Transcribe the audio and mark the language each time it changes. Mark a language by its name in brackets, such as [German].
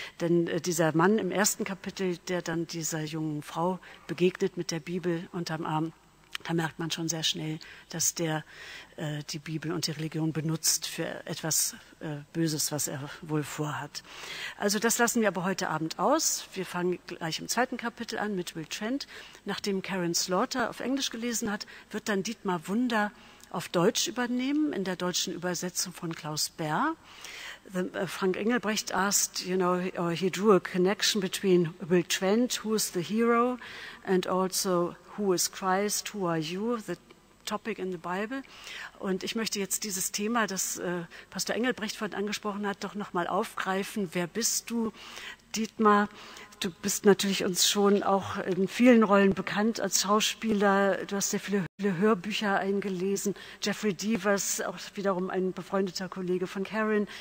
[German] Denn dieser Mann im ersten Kapitel, der dann dieser jungen Frau begegnet mit der Bibel unterm Arm, da merkt man schon sehr schnell, dass der die Bibel und die Religion benutzt für etwas Böses, was er wohl vorhat. Also das lassen wir aber heute Abend aus. Wir fangen gleich im zweiten Kapitel an mit Will Trent. Nachdem Karen Slaughter auf Englisch gelesen hat, wird dann Dietmar Wunder auf Deutsch übernehmen, in der deutschen Übersetzung von Klaus Bär. [English] Frank Engelbrecht asked, you know, he drew a connection between Will Trent, who is the hero, and also who is Christ, who are you, the topic in the Bible. [German] Und ich möchte jetzt dieses Thema, das Pastor Engelbrecht vorhin angesprochen hat, doch nochmal aufgreifen. Wer bist du, Dietmar? Du bist natürlich uns schon auch in vielen Rollen bekannt als Schauspieler. Du hast sehr viele Hörbücher eingelesen. Jeffrey Devers, auch wiederum ein befreundeter Kollege von Karen.